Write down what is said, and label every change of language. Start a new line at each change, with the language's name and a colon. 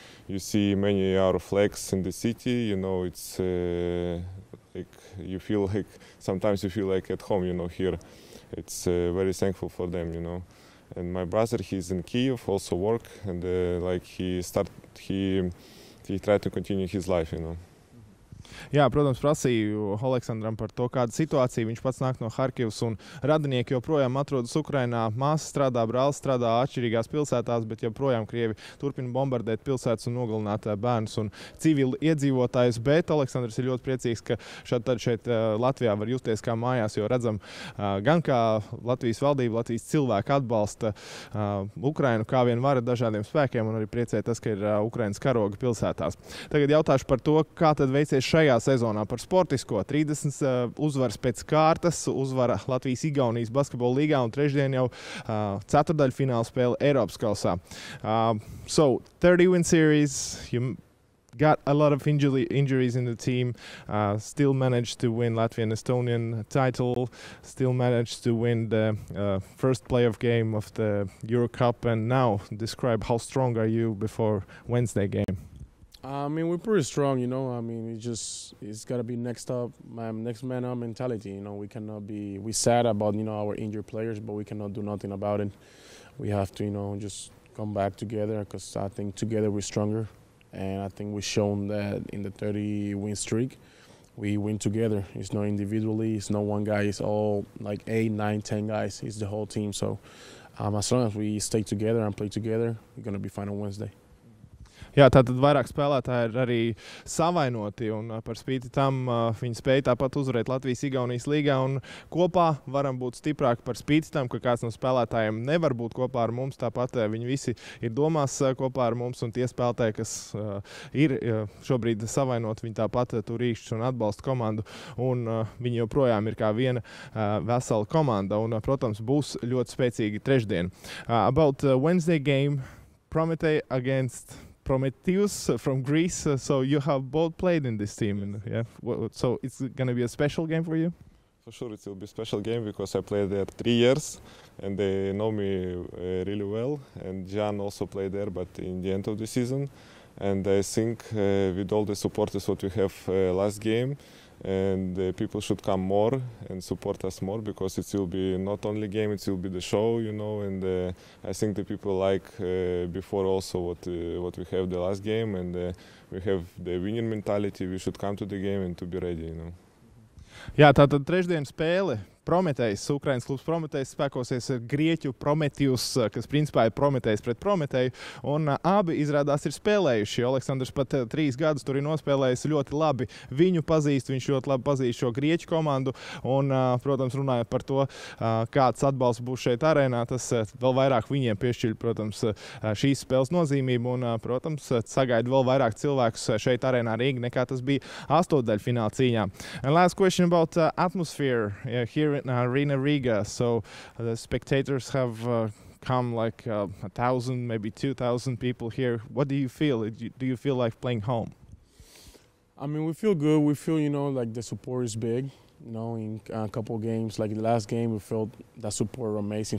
English: You see many our flags in the city, you know, it's like you feel like sometimes you feel like at home, you know, here. It's very thankful for them, you know. And my brother, he's in Kyiv, also work, and like he tried to continue his life, you know.
Latvian: Jā, protams, prasīju Aleksandram par to, kāda situācija. Viņš pats nāk no Kharkivas un radinieki joprojām atrodas Ukrainā. Māsa strādā, brālis strādā atšķirīgās pilsētās, bet joprojām krievi turpina bombardēt pilsētas un nogalināt bērnus un civili iedzīvotājus. Bet Aleksandrs ir ļoti priecīgs, ka šeit, Latvijā var justies kā mājās, jo redzam gan kā Latvijas valdība, Latvijas cilvēki atbalsta Ukrainu kā vien var dažādiem spēkiem un arī priecē tas, ka ir Ukrainas karoga pilsētās. Tagad jautāšu par to, kā tad veicies šajā sezonā par sportisko. 30 uzvaras pēc kārtas, uzvara Latvijas-Igaunijas basketbola līgā un trešdien jau ceturtdaļfināla spēle Eiropas kausā.
English: So, 30 win series, you got a lot of injuries in the team, still managed to win Latvian-Estonian title, still managed to win the first playoff game of the Euro Cup, and now describe how strong are you before Wednesday game. I mean, we're pretty strong, you know. I mean, it's got to be next man up mentality, you know. We're sad about, you know, our injured players, but we cannot do nothing about it. We have to, you know, just come back together, because I think together we're stronger. And I think we've shown that in the 30 win streak, we win together. It's not individually, it's not one guy, it's all like 8, 9, 10 guys. It's the whole team. So as long as we stay together and play together, we're going to be fine on Wednesday.
Latvian: Jā, tātad vairāk spēlētāji ir arī savainoti un par spīti tam viņi spēja tāpat uzvarēt Latvijas-Igaunijas līgā un kopā varam būt stiprāki par spīti tam, ka kāds no spēlētājiem nevar būt kopā ar mums, tāpat viņi visi ir domās kopā ar mums un tie spēlētāji, kas ir šobrīd savainoti, viņi tāpat tur rīkšķis un atbalsta komandu un viņi joprojām ir kā viena vesela komanda un, protams, būs ļoti spēcīgi trešdien.
English: About Wednesday game, Prometey against Prometheus from Greece, so you have both played in this team, and yeah. So it's going to be a special game for you? For sure it will be a special game because I played there 3 years and they know me really well. And Jan also played there, but in the end of the season. And I think with all the supporters what we have last game, and people should come more and support us more because it will be not only game, it will be the show, you know, and I think the people like before also what we have the last game and we have the winning mentality, we should come to the game and to be ready, you know.
Latvian: Jā, tātad trešdien spēle. Prometejs, Ukrainas klubs Prometejs spēkosies ar Grieķu Prometheus, kas principā ir Prometejs pret Prometeju. Un abi izrādās ir spēlējuši. Aleksandrs pat 3 gadus tur ir nospēlējis ļoti labi. Viņu pazīst, viņš ļoti labi pazīst šo Grieķu komandu. Un, protams, runājot par to, kāds atbalsts būs šeit arēnā, tas vēl vairāk viņiem piešķiļ, protams, šīs spēles nozīmību. Un, protams, sagaida vēl vairāk cilvēkus šeit arēnā Rīga, nekā tas bija 8. daļfinālā cīņā.
English: And last question about atmosphere here. In Arena Riga, so the spectators have come like 1,000, maybe 2,000 people here. What do you feel? Do you feel like playing home? I mean, we feel good. We feel, you know, like the support is big. You know, in a couple games, like the last game, we felt that support was amazing.